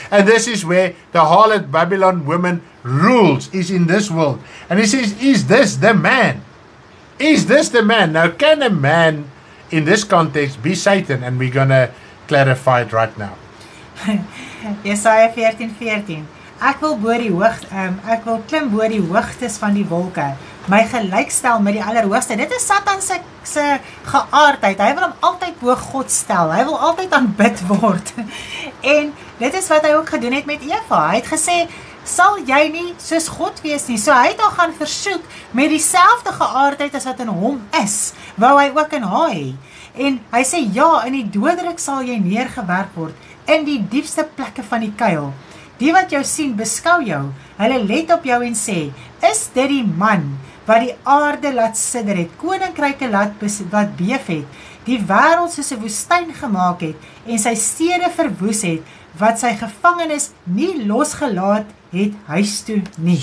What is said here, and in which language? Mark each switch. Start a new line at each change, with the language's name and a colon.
English: And this is where the harlot Babylon woman rules, is in this world. And he says, is this the man? Is this the man? Now, can a man in this context be Satan? And we're going to clarify it right now.
Afrikaans: Jesaja 14:14. Ek wil klim bo die hoogtes van die wolke, my gelykstel met die allerhoogste. Dit is Satan se geaardheid. Hy wil hom altyd bo God stel. Hy wil altyd aanbid word. En dit is wat hy ook gedoen het met Eva. Hy het gesê, sal jy nie soos God wees nie? So hy het haar gaan versoek met dieselfde geaardheid as wat in hom is, wou hy ook in haar hê. En hy sê, ja, in die dodelik sal jy neergewerp word, in die diepste plekke van die kuil. Die wat jou sien, beskou jou, hulle let op jou en sê, is dit die man wat die aarde laat sidder het, koninkryke laat wat beef het, die wêreld soos 'n woestyn gemaak het, en sy stede verwoes het, wat sy gevangenes nie losgelaat het huis toe nie.